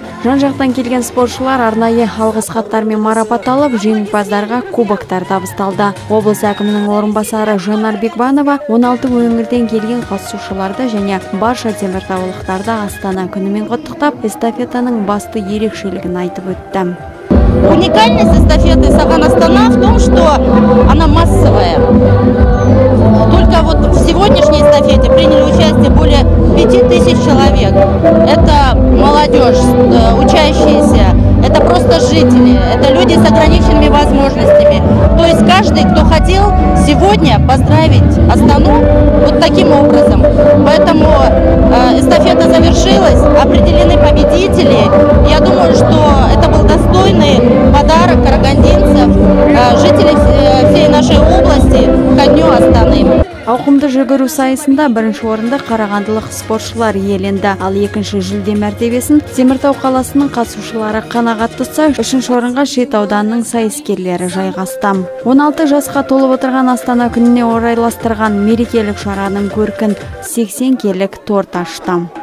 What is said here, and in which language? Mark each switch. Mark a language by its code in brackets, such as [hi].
[kk] Жан-жақтан келген спортшылар арнайы алғыс хаттармен марапатталып, жеңімпаздарға кубоктар табысталды. Облыс әкімінің орынбасары Жанар Бекбанова 16 өңірден келген қатысушыларды және барша теміртаулықтарды Астана күнімен құттықтап, эстафетаның басты ерекшелігін айтып өтті. [ru] Уникальность эстафеты «Саган Астана» в том, что она массовая. Только вот в сегодняшней эстафете приняли участие более 5000 человек. Это молодежь, учащиеся, это просто жители, это люди с ограниченными возможностями. То есть каждый, кто хотел сегодня поздравить Астану вот таким образом. Поэтому эстафета завершилась, определены победители. Я думаю, что это был достойный подарок карагандинцев, жителей всей нашей области ко дню Астаны. [kk] Ауқымды жүгіру сайысында бірінші орынды қарағандылық спортшылар иеленді, ал екінші жүлде мәртебесін Теміртау қаласының қатысушылары қанағат тұтса, үшінші орынға Шет ауданының сайыскерлері жайғасты. 16 жасқа толып отырған Астана күніне орайластырған мерекелік шараның көркін 80 келік торт ашты.